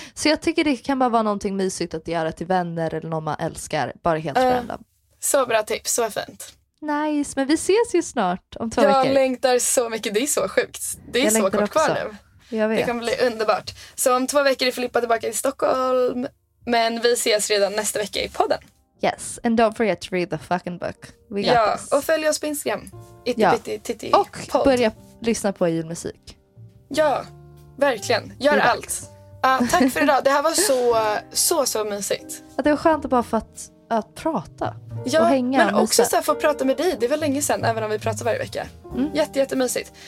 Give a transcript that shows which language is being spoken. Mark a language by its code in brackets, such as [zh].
[sv] Så jag tycker det kan bara vara någonting mysigt att göra till vänner eller någon man älskar, bara helt random. Så bra tips, så fint. Nice, men vi ses ju snart om två veckor. Jag längtar så mycket, det är så sjukt. Det är så kort kvar nu. Jag vet. Det kommer bli underbart. Så om 2 veckor är Filippa tillbaka i Stockholm. Men vi ses redan nästa vecka i podden. [en] Yes, and don't forget to read the fucking book. We got this. [sv] Och följ oss på Instagram. Och podd. Börja lyssna på julmusik. Ja, verkligen. Gör allt. Tack för idag. Det här var så mysigt. Att det var skönt bara för att prata. Ja, och hänga. Men också så här, få prata med dig. Det är väl länge sedan, även om vi pratar varje vecka. Mm. Jättemysigt.